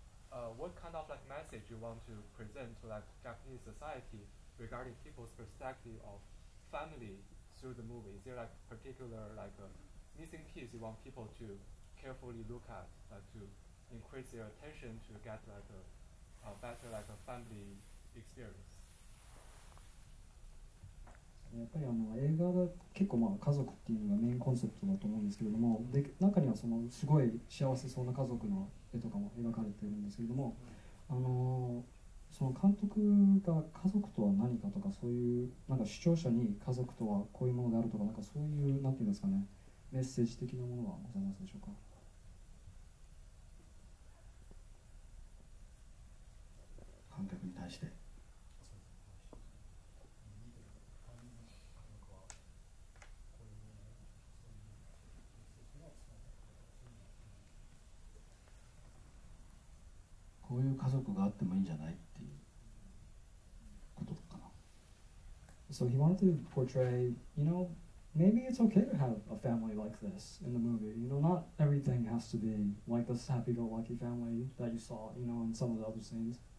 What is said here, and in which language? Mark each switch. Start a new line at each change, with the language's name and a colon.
English: What kind of like message you want to present to like Japanese society regarding people's perspective of family through the movie? Is there like particular like a missing piece you want people to carefully look at, like to increase their attention to get like a better like a family experience?
Japanese: やっぱりあの映画が結構まあ家族っていうのがメインコンセプトだと思うんですけれども、で中にはそのすごい幸せそうな家族の絵とかも描かれているんですけれども、その監督が家族とは何かとか、そういうなんか視聴者に家族とはこういうものであるとか、なんかそういうなんていうんですかね、メッセージ的なものはございますでしょうか。観客に対して。こういう家族があってもいいんじゃないっていうことかな。
English: So he wanted to portray, you know, maybe it's okay to have a family like this in the movie. You know, not everything has to be like this happy-go-lucky family that you saw, you know, in some of the other scenes.